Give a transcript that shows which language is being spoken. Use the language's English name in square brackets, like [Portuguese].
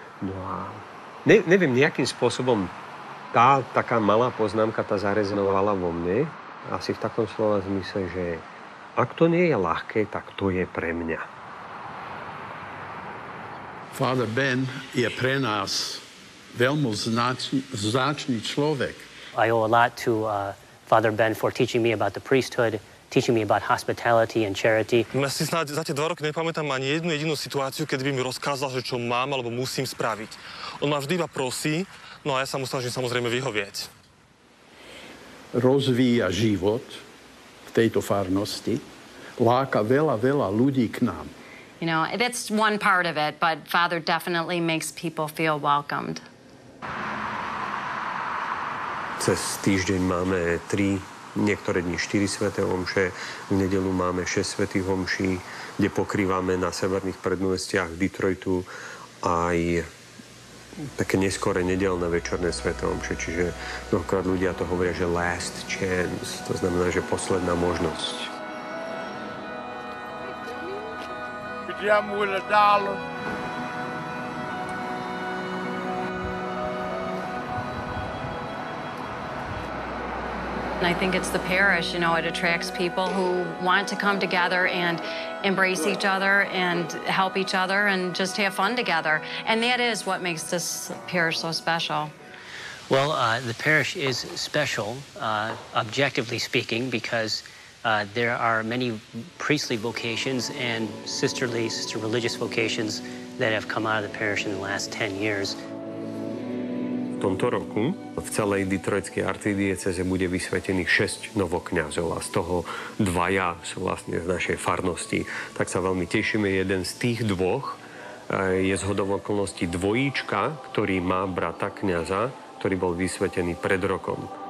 [Slovak] No a neviem, nejakým spôsobom tá taká malá poznámka tá zarezonovala vo mne, asi v takom slova zmysle, že ak to nie je ľahké, tak to je pre mňa. Father Ben je pre nás veľmi značný človek. [English] I owe a lot to Father Ben for teaching me about the priesthood, teaching me about hospitality and charity. [Slovak] Ja si snáď za tie 2 roky nepamätám ani jednu jedinú situáciu, kedy by mi rozkázal, že čo mám alebo musím spraviť. On ma vždy iba prosí, no a ja sa mu snažím samozrejme vyhovieť. Rozvíja život v tejto farnosti, láka veľa, veľa ľudí k nám. [English] You know, that's one part of it, but Father definitely makes people feel welcomed. [Slovak] Cez týždeň máme 3, niektoré dni 4 sväté omše, v nedeľu máme 6 svätých omší, kde pokrývame na severných predmestiach Detroitu aj také neskore nedeľné večerné sväté omše. Čiže mnohokrát ľudia to hovoria, že [English] last chance, [Slovak] to znamená, že posledná možnosť. [English] And I think it's the parish, you know, it attracts people who want to come together and embrace each other and help each other and just have fun together. And that is what makes this parish so special. Well, the parish is special, objectively speaking, because there are many priestly vocations and sister religious vocations that have come out of the parish in the last 10 years. [Slovak] V tomto roku v celej Detroitskej arcidiecéze bude vysvetených 6 novokňazov a z toho 2 sú vlastne z našej farnosti. Tak sa veľmi tešíme. Jeden z tých 2 je zhodou okolností dvojíčka, ktorý má brata kňaza, ktorý bol vysvetený pred rokom.